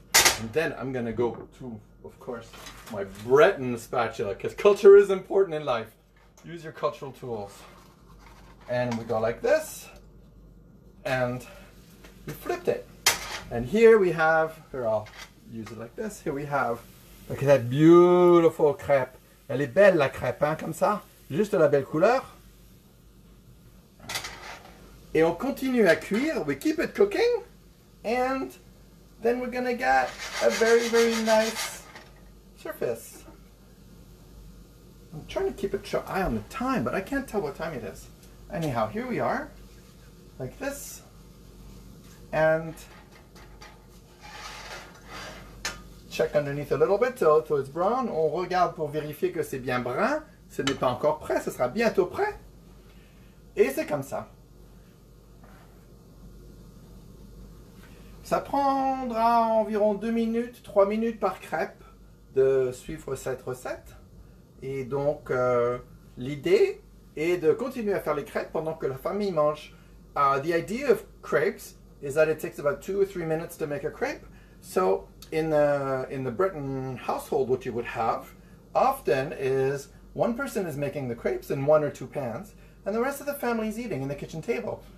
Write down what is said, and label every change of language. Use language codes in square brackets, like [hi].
[en] And then I'm gonna go to, of course, my Breton spatula, because culture is important in life. Use your cultural tools. And we go like this, and we flipped it. And here we have, here I'll use it like this, here we have, look at that beautiful crepe. [fr] Elle est belle la crepe, hein, comme ça, juste la belle couleur. Et on continue à cuire, [en] we keep it cooking, and then we're gonna get a very, very nice surface. I'm trying to keep an eye on the time, but I can't tell what time it is. Anyhow, here we are, like this. And check underneath a little bit till it's brown. [fr] On regarde pour vérifier que c'est bien brun. Ce n'est pas encore prêt, ce sera bientôt prêt. Et c'est comme ça. Ça prendra environ 2 minutes, 3 minutes par crêpe de suivre cette recette. Et donc, l'idée est de continuer à faire les crêpes pendant que la famille mange. [en] The idea of crepes is that it takes about 2 or 3 minutes to make a crepe. So, in the Breton household, what you would have often is one person is making the crepes in 1 or 2 pans, and the rest of the family is eating in the kitchen table.